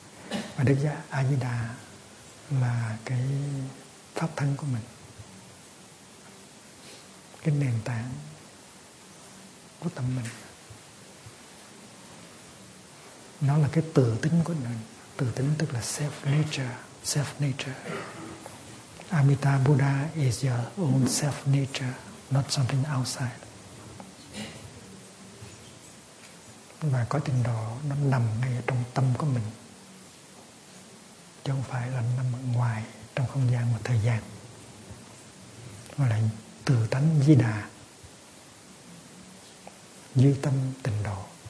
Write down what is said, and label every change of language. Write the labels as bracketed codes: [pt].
[vi] Và Đức A Di Đà là cái pháp thân của mình, cái nền tảng của tâm mình. Nó là cái tự tính của mình. Tự tính tức là self nature. [en] Amitabha Buddha is your own self nature, not something outside. [vi] Và có tình độ nó nằm ngay trong tâm của mình, chứ không phải là nằm ngoài trong không gian và thời gian. Gọi là tự tánh Di Đà, duy tâm tình độ.